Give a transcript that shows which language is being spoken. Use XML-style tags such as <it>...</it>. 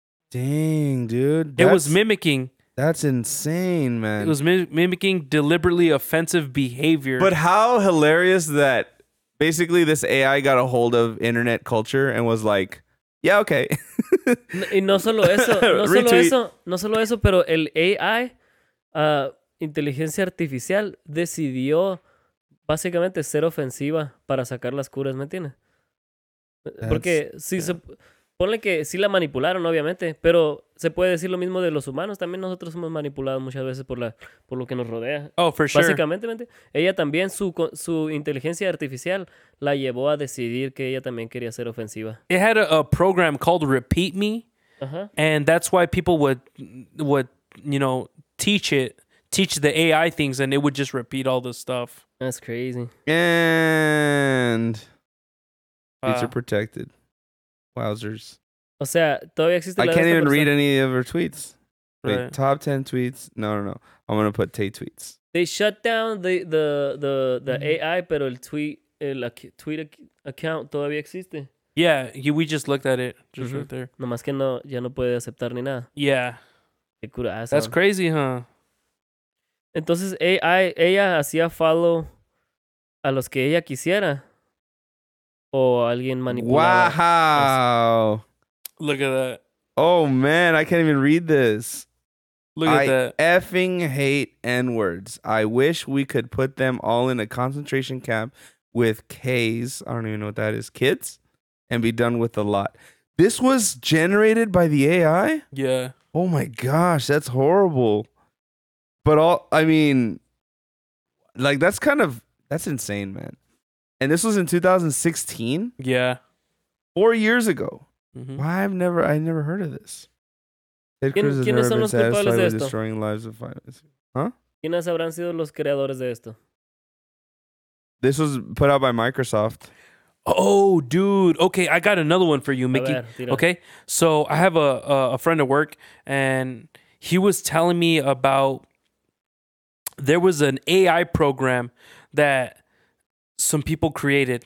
<en>Dang, dude. It was mimicking. That's insane, man. It was mimicking deliberately offensive behavior. But how hilarious that. Basically, this AI got a hold of internet culture and was like, yeah, okay.</en> <es>Y no solo eso. No solo eso, pero el AI, inteligencia artificial, decidió básicamente ser ofensiva para sacar las curas, ¿me entiendes? Porque si se... Ponle que sí la manipularon, obviamente, pero se puede decir lo mismo de los humanos. También nosotros somos manipulados muchas veces por lo que nos rodea.</es> <en>Oh, for sure.</en> <es>Básicamente, ella también, su inteligencia artificial la llevó a decidir que ella también quería ser ofensiva.</es> <en>It had a program called Repeat Me, and that's why people would you know, teach the AI things, and it would just repeat all this stuff. That's crazy. And these are protected. Wowzers.</en> <es>O sea, todavía existe</es> <en>la I can't even read any of her tweets. Wait, right. Top 10 tweets. No. I'm going to put Tay tweets. They shut down the AI,</en> <es>pero el</es> <en>tweet account</en> <es>todavía existe.</es> <en>Yeah, we just looked at it just right there.</en> <es>Nomás que no, ya no puede aceptar ni nada.</es> <en>Yeah.</en> <es>Qué curazo.</es> <en>That's crazy, huh?</en> <es>Entonces, AI, ella hacía follow a los que ella quisiera. O alguien manipulaba.</es> <en>Wow. Look at that. Oh, man. I can't even read this. Look at that. I effing hate N-words. I wish we could put them all in a concentration camp with Ks. I don't even know what that is. Kids? And be done with a lot. This was generated by the AI? Yeah. Oh, my gosh. That's horrible. But all... I mean... Like, that's kind of... That's insane, man. And this was in 2016? Yeah. 4 years ago. Mm-hmm. Why I never heard of this. Ted Cruz has never been satisfied with destroying lives of violence. Huh?</en> <es>¿Quiénes habrán sido los creadores de esto?</es> <en>This was put out by Microsoft. Oh, dude. Okay, I got another one for you, Mickey.</en> <es>A ver, tira.</es> <en>Okay, so I have a friend at work, and he was telling me about... There was an AI program that... Some people created.</en>